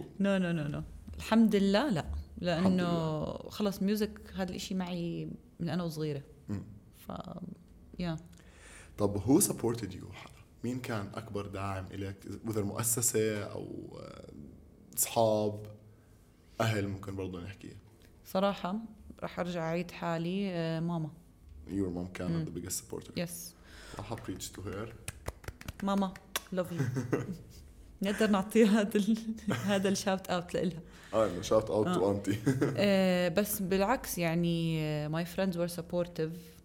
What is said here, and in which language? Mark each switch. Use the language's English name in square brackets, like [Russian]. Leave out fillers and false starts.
[English] no no no no [Arabic] الحمد لله لا لأنه خلص ميوزك هذا الإشي معي من أنا وصغيرة. [English] ف yeah. [Arabic] طب [English] who supported you؟ [Arabic] مين كان أكبر داعم إليك إذا المؤسسة أو أصحاب أهل ممكن برضو نحكي؟ صراحة رح أرجع عيد حالي ماما. [English] Your mom can be the biggest supporter. Yes. [Arabic] رح [English] preach to her. ماما love you. [Arabic] نقدر نعطي هذا الشاوت أوت لإلها. [English] Shout out to auntie. [Arabic] بس بالعكس يعني [English] my friends were supportive.